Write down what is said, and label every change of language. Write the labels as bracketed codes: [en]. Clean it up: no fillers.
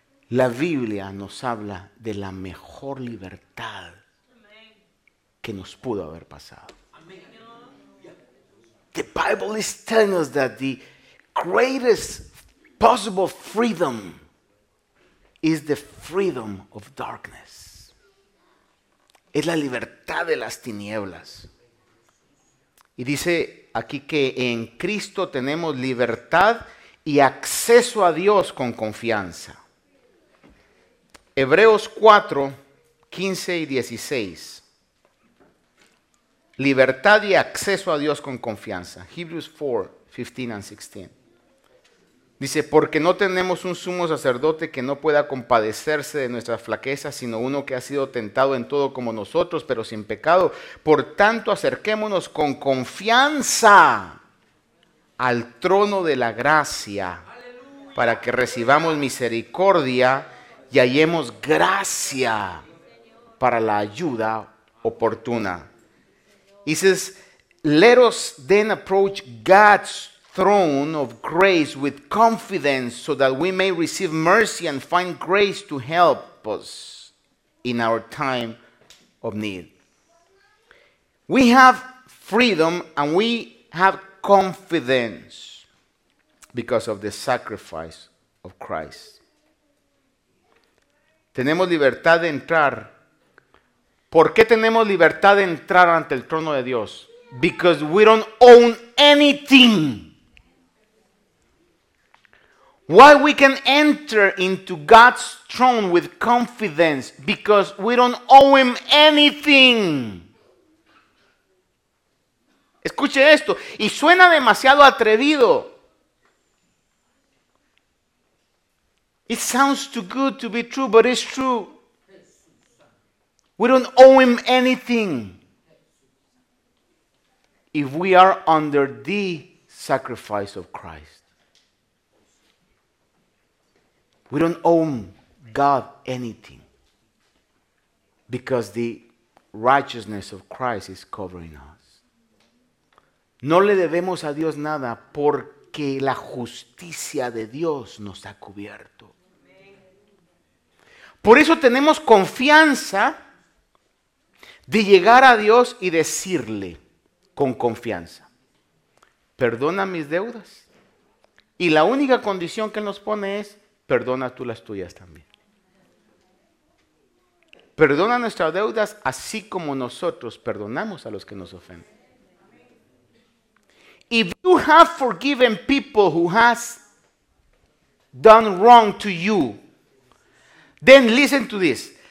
[es] La Biblia nos habla de la mejor libertad que nos pudo haber pasado. [en] The Bible is telling us that the greatest possible freedom is the freedom of darkness. [es] Es la libertad de las tinieblas. Y dice aquí que en Cristo tenemos libertad y acceso a Dios con confianza. Hebreos 4, 15 y 16. Libertad y acceso a Dios con confianza. [en] Hebrews 4, 15 and 16. [es] Dice, porque no tenemos un sumo sacerdote que no pueda compadecerse de nuestras flaquezas, sino uno que ha sido tentado en todo como nosotros, pero sin pecado. Por tanto, acerquémonos con confianza al trono de la gracia, para que recibamos misericordia y hallemos gracia para la ayuda oportuna. [en] He says, let us then approach God's throne of grace with confidence so that we may receive mercy and find grace to help us in our time of need. We have freedom and we have confidence because of the sacrifice of Christ. [es] Tenemos libertad de entrar. ¿Por qué tenemos libertad de entrar ante el trono de Dios? [en] Because we don't own anything. Why we can enter into God's throne with confidence? Because we don't owe him anything. [es] Escuche esto, y suena demasiado atrevido. [en] It sounds too good to be true, but it's true. We don't owe him anything if we are under the sacrifice of Christ. We don't owe God anything because the righteousness of Christ is covering us. [es] No le debemos a Dios nada porque la justicia de Dios nos ha cubierto. Por eso tenemos confianza de llegar a Dios y decirle con confianza, perdona mis deudas. Y la única condición que nos pone es, perdona tú las tuyas también. Perdona nuestras deudas así como nosotros perdonamos a los que nos ofenden. [en] If you have forgiven people who has done wrong to you, then listen to this.